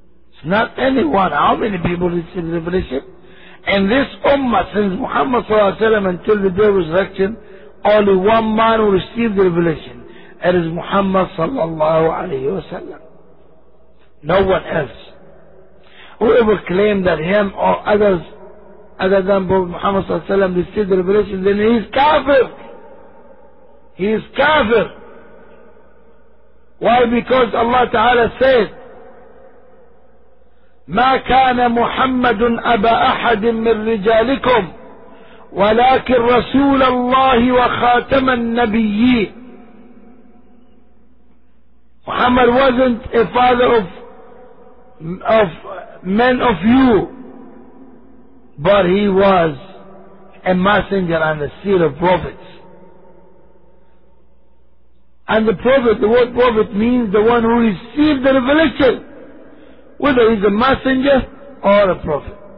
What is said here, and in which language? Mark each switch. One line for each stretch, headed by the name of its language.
English: It's not anyone. How many people receive the revelation? In this ummah, since Muhammad sallallahu alayhi wa sallam until the day of resurrection, only one man who received the revelation. It is Muhammad sallallahu alayhi wa sallam. No one else. Whoever claimed that him or others other than Prophet Muhammad sallallahu alayhi wa sallam received the revelation, then he is kafir. He is kafir. Why? Because Allah Ta'ala said,
Arabic: مَا كَانَ مُحَمَّدٌ أَبَا أَحَدٍ مِّن رِجَالِكُمْ وَلَكِنْ رَسُولَ اللَّهِ وَخَاتَمَ النَّبِيِّينَ.
English: Muhammad wasn't a father of men of you, but he was a messenger and the seed of prophets. And the prophet, the word prophet means the one who received the revelation, whether he's a messenger or a prophet.